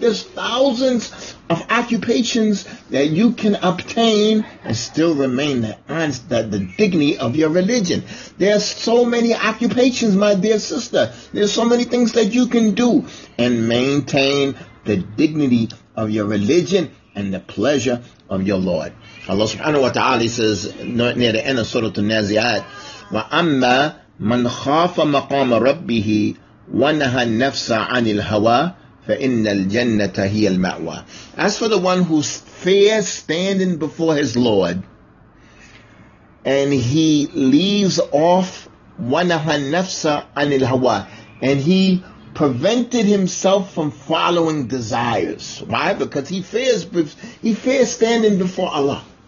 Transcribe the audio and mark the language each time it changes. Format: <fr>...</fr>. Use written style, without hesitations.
<en>There's thousands of occupations that you can obtain and still remain the dignity of your religion. There's so many occupations, my dear sister. There's so many things that you can do and maintain the dignity of your religion and the pleasure of your Lord.</en> <ar>Allah subhanahu wa ta'ala says near the end of Surah An-Naziat, وَأَمَّا مَنْ خَافَ مَقَامَ رَبِّهِ وَنَهَى النَّفْسَ عَنِ الْهَوَى فَإِنَّ الْجَنَّةَ هِيَ الْمَأْوَى.</ar> <en>As for the one who fears standing before his Lord, and he leaves off</en> <ar>وَنَهَى النَّفْسَ عَنِ الْهَوَى,</ar> <en>and he prevented himself from following desires. Why? Because he fears standing before Allah.</en>